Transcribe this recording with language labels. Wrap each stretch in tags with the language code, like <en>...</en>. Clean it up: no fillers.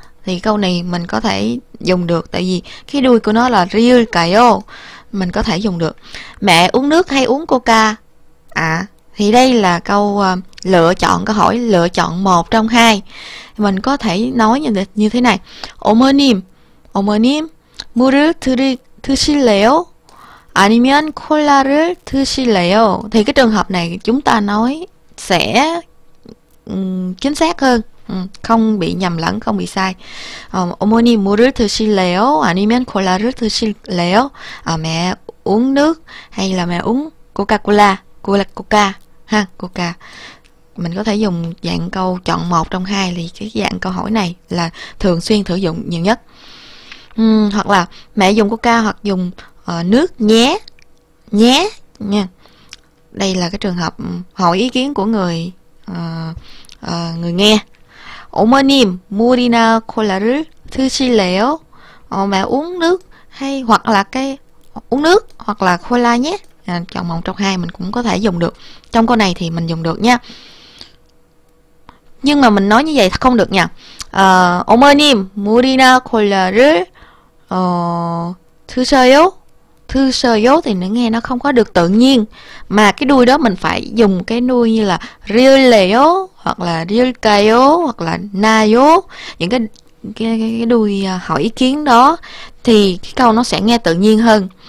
<vi>Thì câu này mình có thể dùng được, tại vì cái đuôi của nó là 읽을까요? Mình có thể dùng được. Mẹ uống nước hay uống coca? Thì đây là câu lựa chọn, câu hỏi lựa chọn một trong hai. Mình có thể nói như thế này:</vi> <ko>어머님, 어머님, 물을 드실래요? 아니면 콜라를 드실래요?</ko> <vi>Thì cái trường hợp này chúng ta nói sẽ chính xác hơn. Không bị nhầm lẫn, không bị sai.</vi> <ko>어머니 물을 드실래요? 아니면 콜라를 드실래요?</ko> <vi>Mẹ uống nước hay là mẹ uống Coca-Cola? Coca, ha, Coca. Mình có thể dùng dạng câu chọn một trong hai, thì cái dạng câu hỏi này là thường xuyên sử dụng nhiều nhất. Hoặc là mẹ dùng Coca hoặc dùng nước nhé, nhé nha. Đây là cái trường hợp hỏi ý kiến của người người nghe.</vi> <ko>어머님, 물이나 콜라를 드실래요?</ko> <vi>Mẹ uống nước hay hoặc là cái uống nước hoặc là cola nhé. Chọn một trong hai mình cũng có thể dùng được. Trong câu này thì mình dùng được nha. Nhưng mà mình nói như vậy không được nha.</vi> <ko>어머님, 물이나 콜라를 드셔요?</ko> <vi>드셔요 thì nó nghe nó không có được tự nhiên, mà cái đuôi đó mình phải dùng cái đuôi như là 르래요 hoặc là 를까요 hoặc là 나요, những cái đuôi hỏi ý kiến đó thì cái câu nó sẽ nghe tự nhiên hơn.</vi>